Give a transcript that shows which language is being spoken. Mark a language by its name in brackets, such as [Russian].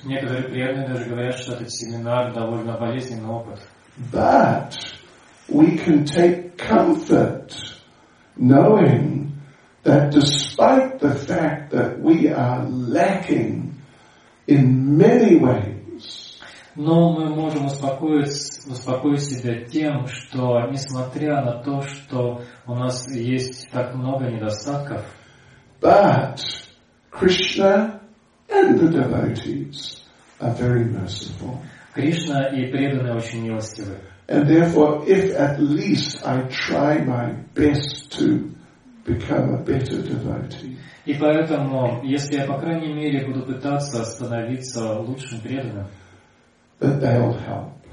[Russian] Некоторые преданные даже говорят, что этот семинар довольно болезненный опыт. [English] But we can take comfort knowing that despite the fact that we are lacking in many ways. [Russian] Но мы можем успокоить себя тем, что несмотря на то, что у нас есть так много недостатков, [English] but Krishna and the devotees are very merciful. [Russian] Кришна и преданные очень милостивы. [English] And therefore, if at least I try my best to become a better devotee. [Russian] И поэтому, если я по крайней мере буду пытаться становиться лучшим преданным, [English] that they'll help.